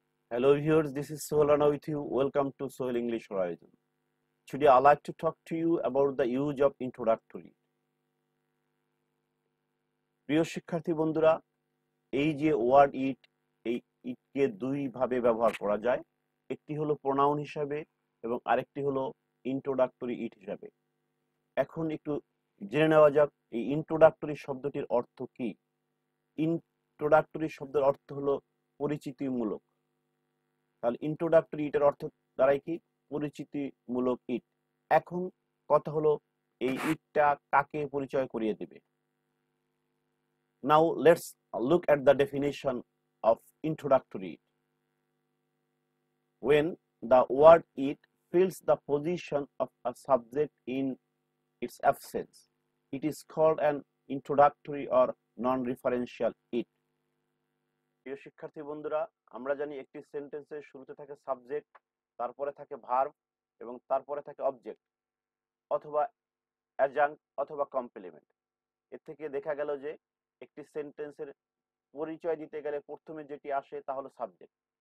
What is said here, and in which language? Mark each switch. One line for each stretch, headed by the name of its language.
English: Hello viewers, this is Sohail Rana with you. Welcome to Sohail English Horizon. Today I'd like to talk to you about the use of introductory.
Bangla: প্রিয় শিক্ষার্থী বন্ধুরা, এই যে word it, এই it কে দুই ভাবে ব্যবহার করা যায়। একটি হলো pronoun হিসাবে এবং আরেকটি হলো introductory it হিসাবে। এখন একটু জেনে নেওয়া যাক এই introductory শব্দটির অর্থ কি। introductory শব্দের অর্থ হলো পরিচিতিমূলক। তাহলে introductory it এর অর্থ দাঁড়ায় কি? পরিচিতিমূলক it। এখন কথা হলো এই itটা কাকে পরিচয় করিয়ে দেবে।
English: Now let's look at the definition of introductory. When the word it fills the position of a subject in its absence, it is called an introductory or non-referential it.
Bangla: প্রিয় শিক্ষার্থী বন্ধুরা, আমরা জানি একটি সেন্টেন্সের শুরুতে থাকে সাবজেক্ট, তারপরে থাকে ভার্ব এবং তারপরে থাকে অবজেক্ট অথবা অ্যাডজাঙ্ক অথবা কমপ্লিমেন্ট। এর থেকে দেখা গেল যে একটি সেন্টেন্সের পরিচয় দিতে গেলে প্রথমে যেটি আসে তা হলো সাবজেক্ট।